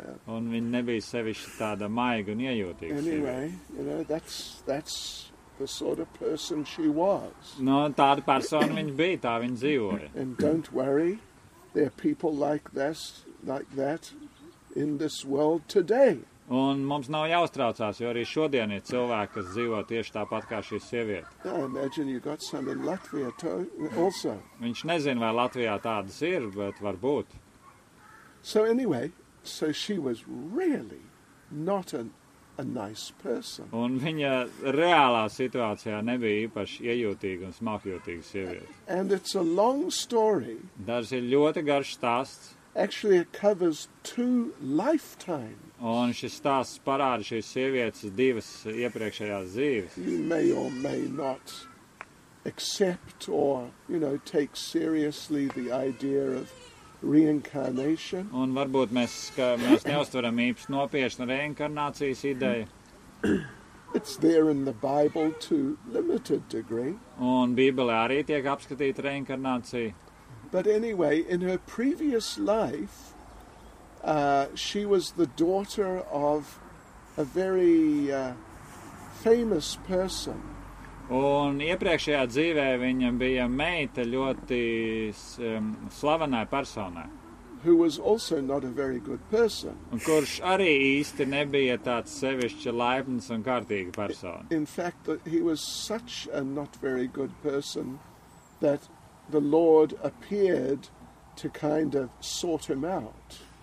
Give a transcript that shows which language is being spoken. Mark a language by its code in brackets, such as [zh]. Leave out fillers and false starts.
[lv] Un viņa nebija sevišķi tāda maiga un iejūtīga sieviete. [en] Anyway, you know, that's the sort of person she was. [lv] No, tāda persona viņa bija, tā viņa dzīvoja. [en] And don't worry, there are people like that in this world today. [lv] Un mums nav jāuztraucās, jo arī šodien ir cilvēki, kas dzīvo tieši tāpat kā šī sieviete. [en] Yeah, imagine you got some in Latvia also. [lv] Viņš nezin, vai Latvijā tādas ir, bet var būt. [en] So anyway, so she was really not a nice person. [lv] Un viņa reālā situācijā nebija īpaši iejūtīga un smakjūtīga sieviete. [en] And it's a long story. [lv] Dažs ir ļoti garš stāsts. [en] Actually it covers two lifetimes. [lv] Un šis stāsts parāda šīs sievietes divas iepriekšējās dzīves. [en] You may or may not accept or, you know, take seriously the idea of reincarnation. [lv] Un varbūt mēs neuztveram īpaši nopietnu reinkarnācijas ideju. [en] It's there in the Bible to limited degree. [lv] Un Bībelē arī tiek apskatīta reinkarnācija. [en] But anyway, in her previous life, she was the daughter of a very famous person. [lv] Un iepriekšējā dzīvē viņam bija meita ļoti slavenai personai. [en] Who was also not a very good person. [lv] Un kurš arī īsti nebija tāds sevišķi laipns un kārtīga persona. [en] In fact, he was such a not very good person that the Lord appeared to kind of sort him out.